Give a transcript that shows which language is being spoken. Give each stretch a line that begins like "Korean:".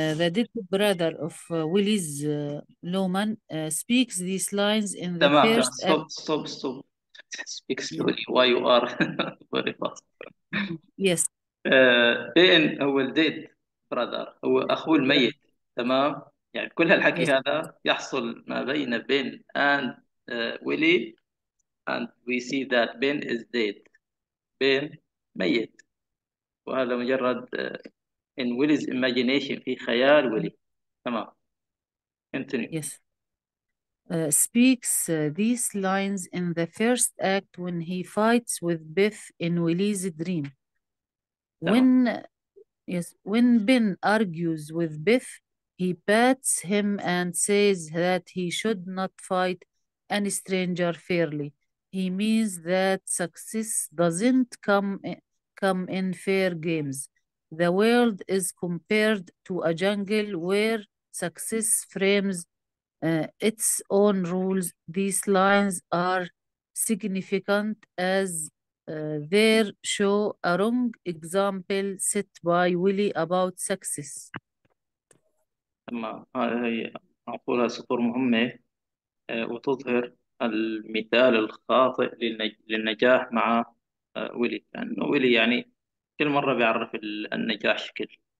English: the dead brother of Willis Loman, speaks these lines in the
Arabic: تمام تمام
English: first stop stop stop speak slowly why you are very fast. Yes.
Arabic: بن هو
English: الديد براذر،
Arabic: هو اخوه الميت، تمام؟ يعني كل هالحكي
English: Yes.
Arabic: هذا يحصل ما بين بن اند ويلي،
English: and we see that Ben is dead.
Arabic: Ben ميت، وهذا مجرد
English: in Willy's imagination،
Arabic: في خيال ويلي. تمام،
English: continue. Yes. Speaks these lines in the first act when he fights with Beth in Willie's dream.
Arabic: تمام،
English: When Ben argues with Beth, he pats him and says that he should not fight any stranger fairly. He means that success doesn't come in fair games. The world is compared to a jungle where success frames its own rules. These lines are significant as they show a wrong example set by Willy about success.
Arabic: هذه هي معقولة سطور مهمة، وتظهر المثال الخاطئ للنجاح مع ويلي، لأنه ويلي يعني كل مرة بيعرف النجاح شكل.